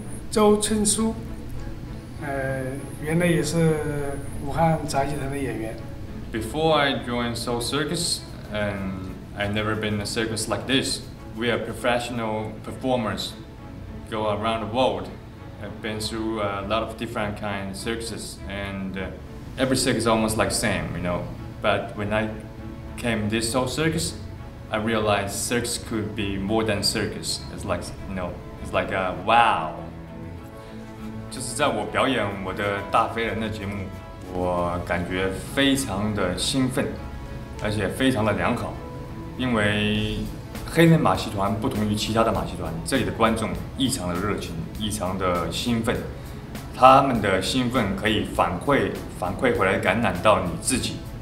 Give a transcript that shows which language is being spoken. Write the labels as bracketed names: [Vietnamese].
[Chinese] 周春书，原来也是武汉杂技团的演员。 [English] Before I joined Soul Circus, and I've never been in a circus like this. We are professional performers, go around the world. I've been through a lot of different kind of circuses, and every circus is almost like the same, you know. But when I came to this Soul Circus, I realized circus could be more than circus. It's like, you know, it's like a wow. [Chinese] 就是在我表演我的大飞人的节目，我感觉非常的兴奋，而且非常的良好，因为黑人马戏团不同于其他的马戏团，这里的观众异常的热情，异常的兴奋，他们的兴奋可以反馈回来感染到你自己，